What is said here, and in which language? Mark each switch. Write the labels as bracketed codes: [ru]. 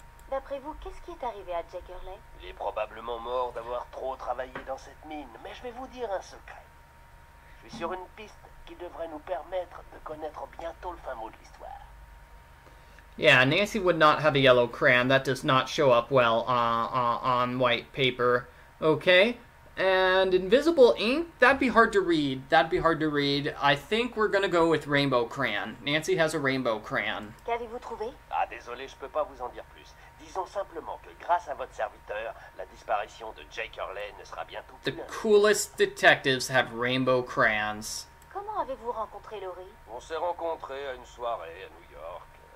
[fr] D'après vous, qu'est-ce qui est arrivé à Jack Hurley? Il est probablement mort d'avoir trop travaillé dans cette mine, mais je vais vous dire un secret. Je suis sur une piste qui devrait nous permettre de connaître bientôt le fin mot de l'histoire. [en] Yeah, Nancy would not have a yellow crayon. That does not show up well on white paper. Okay? And invisible ink? That'd be hard to read. That'd be hard to read. I think we're gonna go with rainbow crayon. Nancy has a rainbow crayon. [fr] Qu'avez-vous trouvé? Ah, désolé, je peux pas vous en dire plus. Disons simplement que grâce à votre serviteur, la disparition de Jake Hurley ne sera bientôt plus... [en] The coolest detectives have rainbow crayons. [fr] Comment avez-vous rencontré Laurie? On s'est rencontrés à une soirée à New York.